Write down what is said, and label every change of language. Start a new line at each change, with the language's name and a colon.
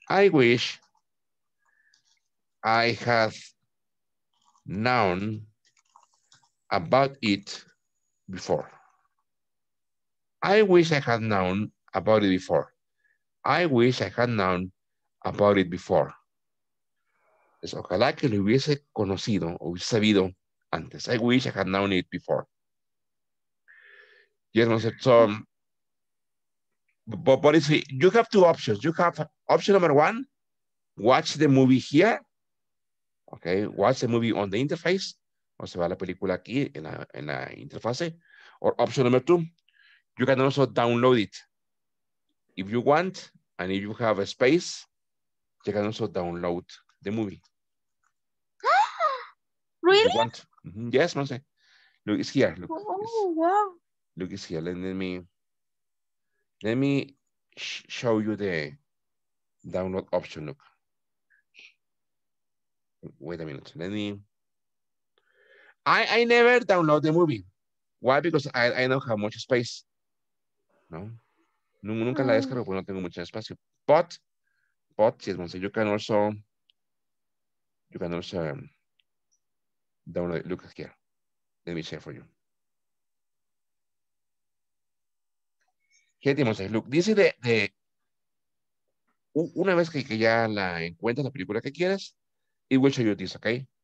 English: I wish I had known about it before. I wish I had known about it before. I wish I had known about it before.
Spanish: Es ojalá que lo hubiese conocido o hubiese sabido antes.
English: I wish I had known it before. Yes,
Spanish: no sé.
English: So, but it's, you have two options. You have option number one, watch the movie here. Okay, watch the movie on the interface.
Spanish: O se va la película aquí en la interfase.
English: Or option number two, you can also download it. If you want, and if you have a space, you can also download the movie. Really? If you want. Mm-hmm. Yes,
Spanish: no sé.
English: Look, it's here. Look, Look, it's here. Let me show you the download option. Look. Wait a minute. Let me. I never download the movie. Why? Because I don't have much space. No.
Spanish: Nunca la descargo porque no tengo mucho espacio.
English: But yes, once you can also download it. Look here. Let me share for you. Look, this is the
Spanish: una vez que ya la encuentras la película que quieras,
English: it will show you this, okay?